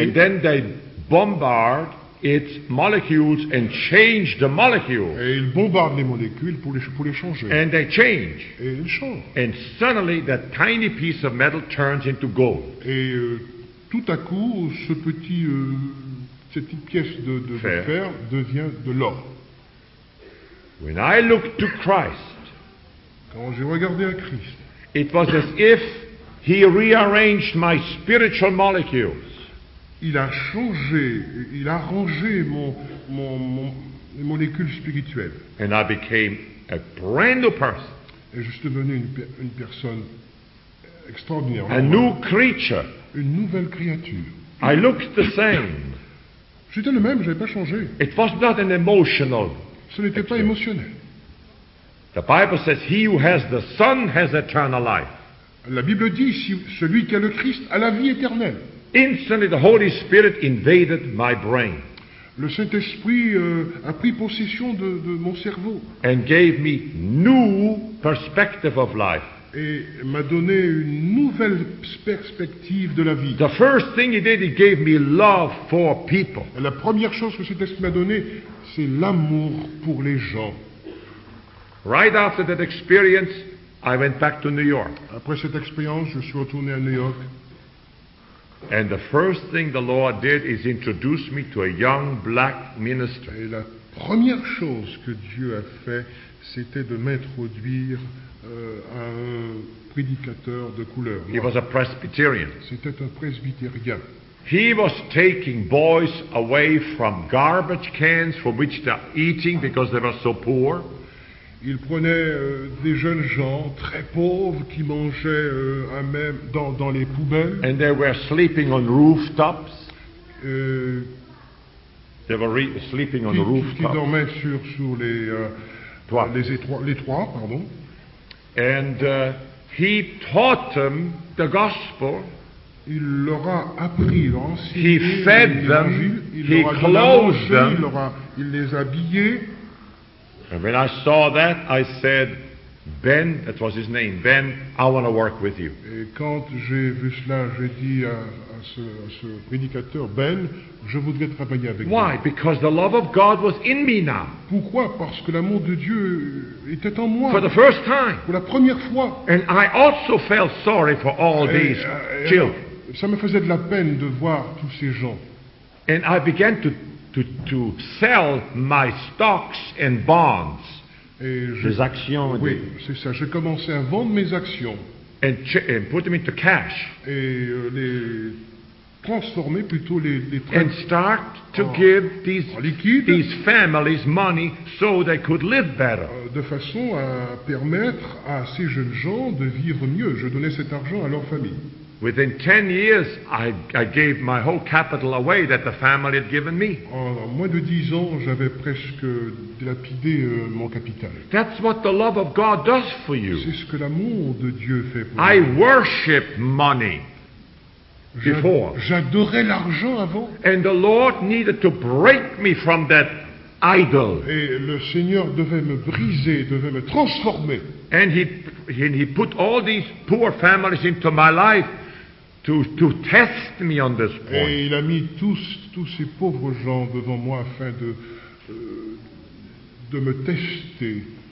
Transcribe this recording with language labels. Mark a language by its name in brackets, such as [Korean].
[English] And then they bombard its molecules and change the molecules. [French] Et ils bombardent les molécules pour les changer. [English] And they change. [French] Et ils changent. [English] And suddenly that tiny piece of metal turns into gold. [French] Et tout à coup, ce petit cette petite pièce de fer devient de l'or. [English] When I look to Christ, [French] quand j'ai regardé à Christ, [English] it was as if he rearranged my spiritual molecules. [French] Il a changé, il a rangé mon molécules spirituelles. [English] And I became a brand new person. [French] Et je suis devenu une personne extraordinaire. [English] A new creature. [French] Une nouvelle créature. [English] I looked the same. [French] J'étais le même, j'avais pas changé. [English] It was not an emotional. [French] Ce n'était pas émotionnel. [English] The Bible says he who has the Son has eternal life. [French] La Bible dit si celui qui a le Christ a la vie éternelle. [English] Instantly the Holy Spirit invaded my brain. [French] Le Saint-Esprit a pris possession de mon cerveau. [English] And gave me new perspective of life. [French] Et m'a donné une nouvelle perspective de la vie. [English] The first thing he did, he gave me love for people. [French] Et la première chose que cet esprit m'a donné, c'est l'amour pour les gens. [English] Right after that experience, I went back to New York. [French] Après cette expérience, je suis retourné à New York. [English] And the first thing the Lord did is introduce me to a young black minister. [French] Et la première chose que Dieu a fait, c'était de m'introduire un prédicateur de couleur. [English] He was a Presbyterian. [French] C'était un presbytérien. [English] He was taking boys away from garbage cans for which they're eating because they were so poor. [French] Il prenait des jeunes gens très pauvres qui mangeaient à même dans les poubelles. [English] And they were sleeping on rooftops. They were sleeping on rooftops. [French] Qui dormaient sur les toits. Les toits. [English] And he taught them the gospel. [French] Il leur a appris l'Évangile. [English] He fed them. He clothed them. [French] Il les a habillés. [English] And when I saw that, I said, Ben, that was his name. Ben, I want to work with you. [French] Et quand j'ai vu cela, j'ai dit à ce prédicateur, Ben, je voudrais travailler avec toi. [English] Why? Ben. Because the love of God was in me now. [French] Pourquoi? Parce que l'amour de Dieu était en moi. [English] For the first time. [French] Pour la première fois. [English] And I also felt sorry for all these children. [French] Ça me faisait de la peine de voir tous ces gens. [English] And I began to sell my stocks and bonds. [French] Mes actions. Oui, c'est ça. J'ai commencé à vendre mes actions. [English] And put them into cash. [French] Et les transformer plutôt les [English] And start to give these families money so they could live better. [French] De façon à permettre à ces jeunes gens de vivre mieux. Je donnais cet argent à leur famille. [English] Within 10 years, I gave my whole capital away that the family had given me. [French] En moins de 10 ans, j'avais presque dilapidé mon capital. [English] That's what the love of God does for you. [French] C'est ce que l'amour de Dieu fait pour vous. [English] I worship money. Before. [French] J'adorais l'argent avant. [English] And the Lord needed to break me from that idol. [French] Et le Seigneur devait me briser, devait me transformer. [English] And he put all these poor families into my life to test me on this point. [French] Et il a mis tous ces pauvres gens devant moi afin de me tester.